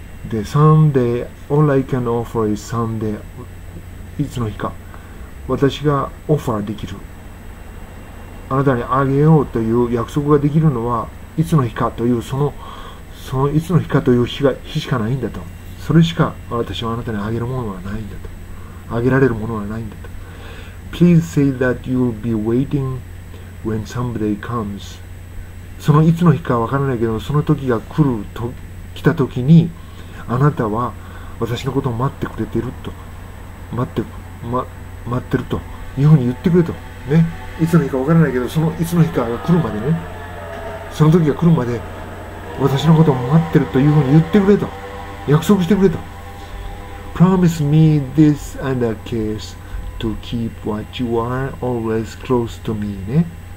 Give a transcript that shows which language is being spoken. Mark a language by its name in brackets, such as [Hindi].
[Japanese] で、 [English] Someday, all I can offer is someday、 [Japanese] いつの日か私がオファーできる、あなたにあげようという約束ができるのは、いつの日かというそのいつの日かという日しかないんだと。それしか私はあなたにあげるものはないんだと、あげられるものはないんだと。 [English] Please say that you'll be waiting when somebody comes。 [Japanese] そのいつの日かわからないけど、その時が来ると来た時に、あなたは私のことを待ってくれていると、待ってるというふうに言ってくれとね。いつの日かわからないけど、そのいつの日かが来るまでね、その時が来るまで私のことを待ってるというふうに言ってくれと、約束してくれと。 [English] Promise me this and a kiss to keep what you are always close to me ね。